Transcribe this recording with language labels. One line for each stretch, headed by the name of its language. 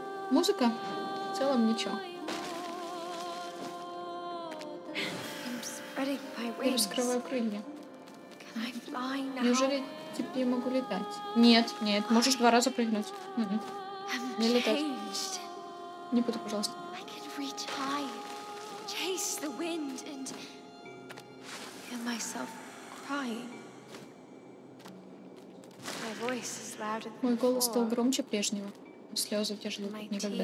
Russian: Музыка? В целом ничего. Я раскрываю крылья. Неужели теперь я могу летать? Нет, нет, можешь два раза прыгнуть. Не летать. Не буду, пожалуйста.
English: I can reach high, chase the wind and feel myself crying. My voice is louder than before.
Russian: Мой голос стал громче прежнего. Слезы тяжелы, как никогда.